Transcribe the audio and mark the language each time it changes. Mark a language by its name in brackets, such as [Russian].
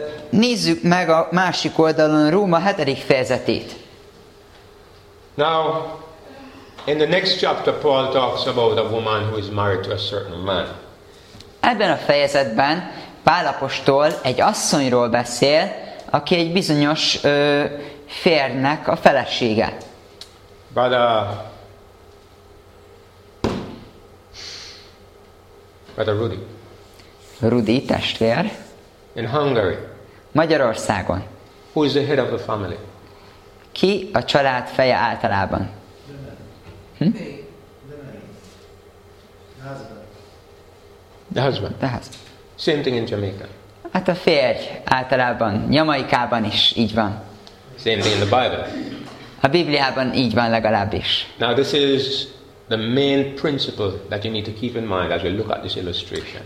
[Hungarian] Nézzük meg a másik oldalon Róma 7. fejezetét. [English] Now, in the next chapter, Paul talks about a woman who is married to a certain man. [Hungarian] Ebben a fejezetben Pál apostol egy asszonyról beszél, aki egy bizonyos férnek a felesége. [English] Brother Rudy. [Hungarian] Rudy, testvér. [English] In Hungary. [Hungarian] Magyarországon. [English] Who is the head of the family? [Hungarian] Ki a család feje általában? [English] The husband. Same thing in Jamaica. [Hungarian] Hát a férj általában, Jamaikában is így van. [English] Same thing in the Bible. [Hungarian] A Bibliában így van legalábbis. [English] Now this is the main principle that you need to keep in mind as we look at this illustration.